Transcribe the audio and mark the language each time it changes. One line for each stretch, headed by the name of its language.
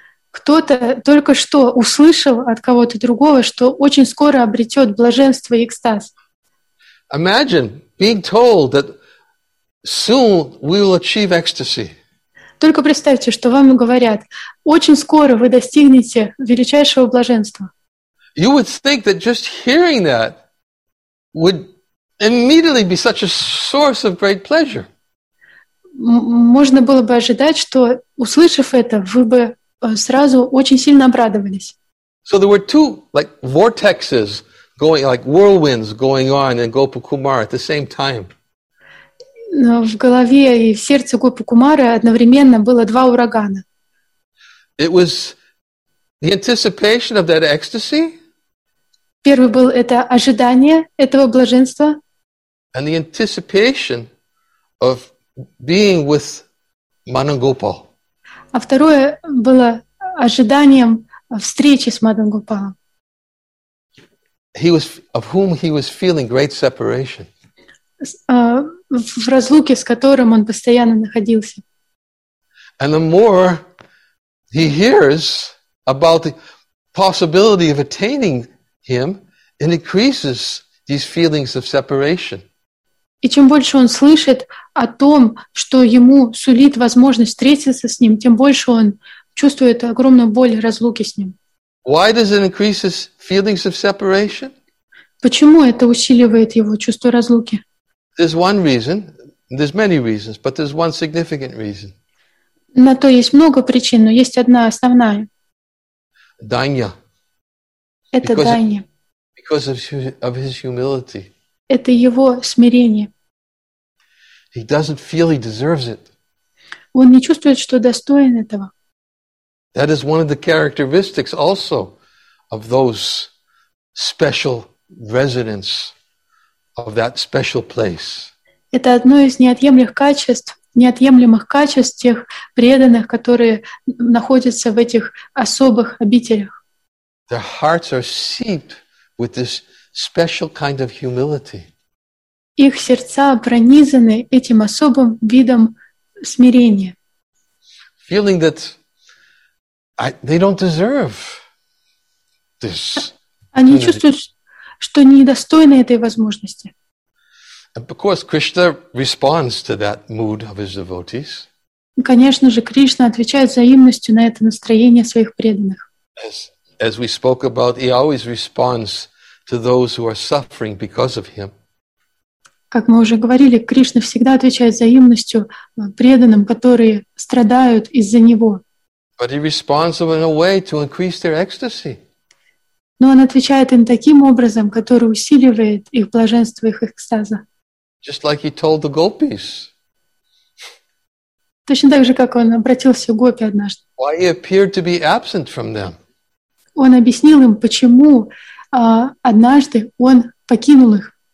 Russian: Кто-то только что услышал от кого-то другого, что очень скоро обретет блаженство и экстаз.
English: Imagine being told that soon we will achieve ecstasy.
Russian: Только представьте, что вам говорят, очень скоро вы достигнете величайшего блаженства.
English: You would think that just hearing that would immediately be such a source of great pleasure.
Russian: Можно было бы ожидать, что, услышав это, вы бы сразу очень сильно обрадовались.
English: So there were two like vortexes going, like whirlwinds going on in Gopu Kumar at the same time.
Russian: В голове и в сердце Гопу Кумара одновременно было два урагана.
English: It was the anticipation of that ecstasy.
Russian: Первый был это ожидание этого блаженства.
English: And the anticipation of being with Manangopal.
Russian: А второе было ожиданием встречи с Мадангопалом.
English: He was, of whom he was feeling great separation.
Russian: В разлуке, с которым он постоянно находился.
English: And the more he hears about the possibility of attaining him, it increases these feelings of separation.
Russian: И чем больше он слышит о том, что ему сулит возможность встретиться с ним, тем больше он чувствует огромную боль разлуки с ним.
English: Why does it increase his feelings of separation?
Russian: Почему это усиливает его чувство разлуки?
English: There's one reason, there's many reasons, but there's one significant reason.
Russian: На то есть много причин, но есть одна основная. Данья. Это данья.
English: Because of his humility.
Russian: Это его смирение.
English: He doesn't feel he deserves it.
Russian: Он не чувствует, что достоин этого.
English: That is one of the characteristics also of those special residents of that special place.
Russian: Это одно из неотъемлемых качеств тех преданных, которые находятся в этих особых обителях.
English: Their hearts are seeped with this special kind of humility.
Russian: Их сердца пронизаны этим особым видом смирения.
English: Feeling that they don't deserve this.
Russian: Они чувствуют, что недостойны этой возможности.
English: And of course, Krishna responds to that mood of his devotees.
Russian: Конечно же, Кришна отвечает взаимностью на это настроение своих преданных.
English: As we spoke about, he always responds to those who are suffering because of him.
Russian: Как мы уже говорили, Кришна всегда отвечает взаимностью преданным, которые страдают из-за Него.
English: But he responds in a way to increase their ecstasy.
Russian: Но Он отвечает им таким образом, который усиливает их блаженство, их экстаза.
English: Just like he told the gopis.
Russian: Точно так же, как Он обратился к гопи однажды.
English: Why he appeared to be absent from them.
Russian: Он объяснил им, почему однажды Он покинул их.